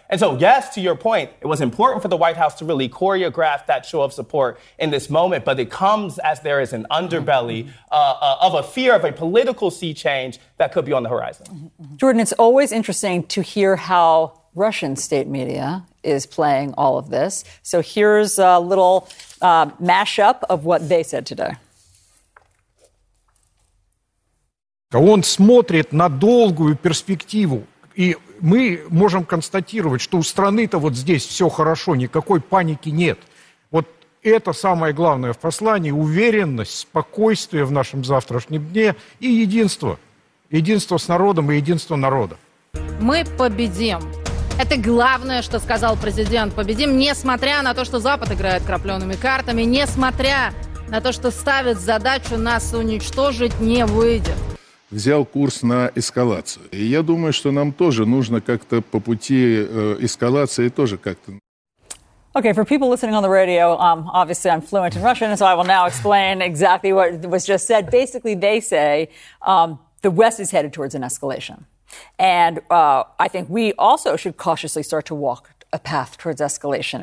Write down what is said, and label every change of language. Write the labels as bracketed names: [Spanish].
[English] And so, yes, to your point, it was important for the White House to really choreograph that show of support in this moment, but it comes as there is an underbelly of a fear of a political sea change that could be on the horizon. Jordan, it's always interesting to hear how Russian state media is playing all of this. So here's a little mashup of what they said today. [Russian] Он смотрит на долгую перспективу. И мы можем констатировать, что у страны-то вот здесь все хорошо, никакой паники нет. Вот это самое главное в послании. Уверенность, спокойствие в нашем завтрашнем дне и единство. Единство с народом и единство народа. Мы победим. Это главное, что сказал президент. Победим, несмотря на то, что Запад играет крапленными картами, несмотря на то, что ставит задачу нас уничтожить, не выйдет. Взял курс на эскалацию. И я думаю, что нам тоже нужно как-то по пути эскалации тоже как-то... [English] Okay, for people listening on the radio, obviously I'm fluent in Russian, so I will now explain exactly what was just said. Basically, they say the West is headed towards an escalation. And I think we also should cautiously start to walk a path towards escalation.